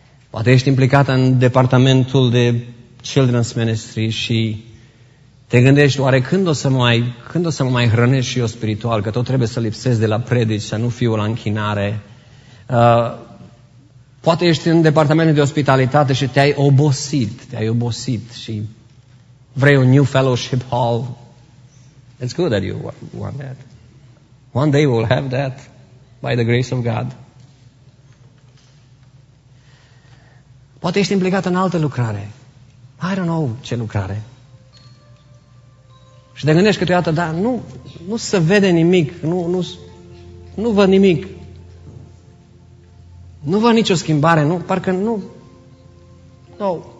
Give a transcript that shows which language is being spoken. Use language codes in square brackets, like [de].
[ro] Poate ești implicat în departamentul de children's ministry și te gândești, oare când o să mă mai hrănesc și eu spiritual, că tot trebuie să lipsesc de la predici, să nu fiu la închinare. Poate ești în departamentul de ospitalitate și te-ai obosit și vrei un [en] new fellowship hall. It's good that you want that. One day we'll have that by the grace of God. [ro] Poate ești implicat în altă lucrare. [en] I don't know [ro] ce lucrare. Și te gândești câteodată, dar nu se vede nimic, nu văd nimic. Nu văd nicio schimbare, nu, parcă nu. [en] No.